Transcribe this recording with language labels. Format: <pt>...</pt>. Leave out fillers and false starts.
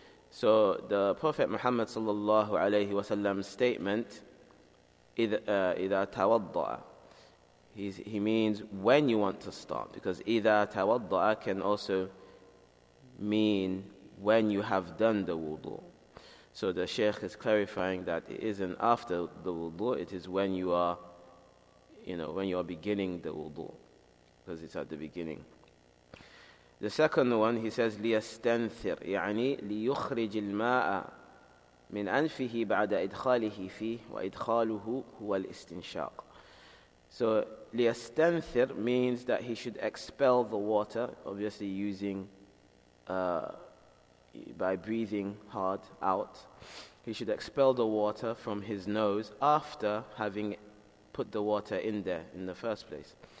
<en>So the Prophet Muhammad sallallahu alayhi wa sallam statement,</en> <ar>إذا تَوَضَّعَ,</ar> <en>he means when you want to start, because</en> <ar>إِذَا تَوَضَّعَ</ar> <en>can also mean when you have done the wudu. So the Shaykh is clarifying that it isn't after the wudu, it is when you are, you know, when you are beginning the wudu, because it's at the beginning. The second one, he says,</en> <ar>لِيَسْتَنْثِرْ يعني لِيُخْرِجِ الْمَاءَ مِنْ أَنْفِهِ بَعْدَ إِدْخَالِهِ فِيهِ وَإِدْخَالُهُ هُوَ الْإِسْتِنْشَاقِ.</ar> <en>So liyastanthir means that he should expel the water, obviously using by breathing hard out. He should expel the water from his nose after having put the water in there in the first place.</en>